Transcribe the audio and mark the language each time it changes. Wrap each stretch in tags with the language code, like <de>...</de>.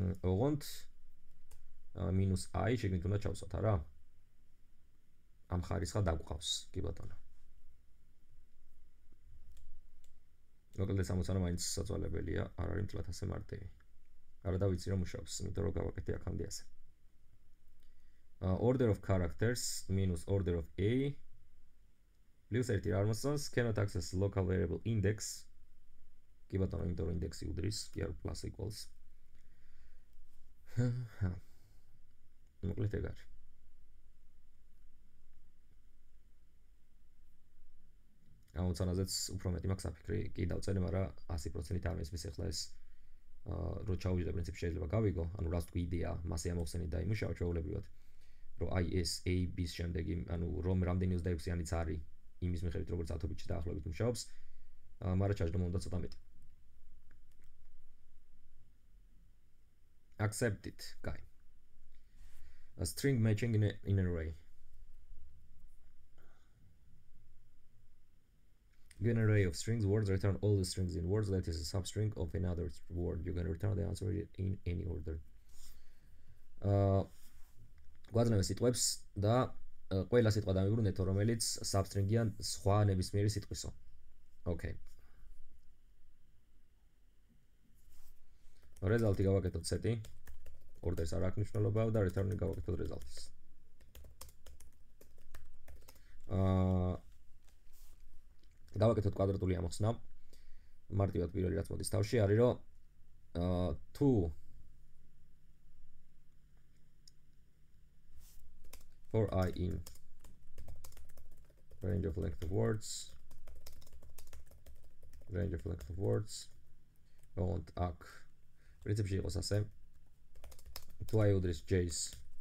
<ka>ოღონდ მინუს i შეგვით უნდა ჩავსვათ, არა? ამ ხარისხა დაგვყავს, კი ბატონო. მოკლედ 60-ანა მაინც საწვალებელია, არ არის მთლად ასე მარტივი. არა და ვიცი რომ მუშაობს, იმიტომ რომ გავაკეთე აქამდე ასე.</ka> <en>Order of characters minus order of a</en> <ka>პლუს ერთი რა არ მოსწონს,</ka> <en>cannot access local variable index.</en> <ka>კი ბატონო, იმიტომ რომ ინდექსი უდრის, კი არ პლუს ეკვალს. ჰა. მოკლედ ეგ არის. გამოცანაზეც უფრო მეტი მაქვს საფიქრი, კი დავწერე, მაგრამ 100% არ მისმის ახლა ეს. რო ჩავიძებ პრინციპი შეიძლება გავიგო, ანუ რას თქვი იდეა, მასე ამოხსენი და იმუშაო ჩაულებრივად. რო აი ეს AB-ს შემდეგი, ანუ რომ რამდენი 26-იანიც არის, იმის მიხედვით როგორც ათობით დაახლოებით მუშაობს, მაგრამ ჩაჯდომა უნდა ცოტა მეტი.</ka> <en>Accept it, guy. A string matching in an array. Given an array of strings, words return all the strings in words that is a substring of another word. You can return the answer in any order.</en> <ka>გვაძლევენ სიტყვებს და ყველა სიტყვა დამიბრუნდეთ, რომელიც substring-იან სხვა ნებისმიერი სიტყვისო. Okay. Result-ი გავაკეთოთ set-ი. Orders არ აღნიშნულობა და return-ი გავაკეთოთ result-ის. დავაკეთოთ კვადრატული ამოხსნა. მარტივად პირველი რაც მოდის თავში არის რომ თუ</ka> <en>for i in range of length of words range of length of words want ak</en> <ka>პრინციპში იყოს ასე თუ i უდრის j-ს</ka>